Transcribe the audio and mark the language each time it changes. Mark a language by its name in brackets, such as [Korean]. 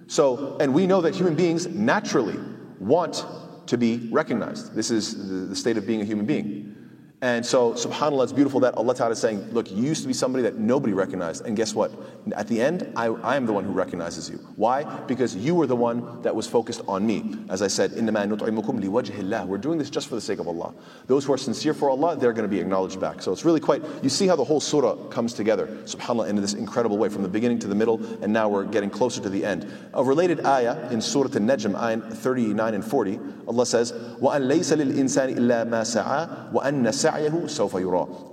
[English] So, and we know that human beings naturally want to be recognized. This is the state of being a human being. And so, subhanAllah, it's beautiful that Allah Ta'ala is saying, look, you used to be somebody that nobody recognized, and guess what? At the end, I am the one who recognizes you. Why? Because you were the one that was focused on me. As I said, [Arabic] إِنَّمَا نُطْعِمُكُمْ لِوَجْهِ اللَّهِ. [English] We're doing this just for the sake of Allah. Those who are sincere for Allah, they're going to be acknowledged back. So it's really quite, you see how the whole surah comes together, subhanAllah, in this incredible way, from the beginning to the middle, and now we're getting closer to the end. A related ayah in Surah Al-Najm, ayah 39 and 40, Allah says, [Arabic] وَأَن لَيْسَ لِلْإِنسَانِ إِلَّا مَا سَعَى وَأَنَّ سَعْيَهُ سَوْفَ يُرَى.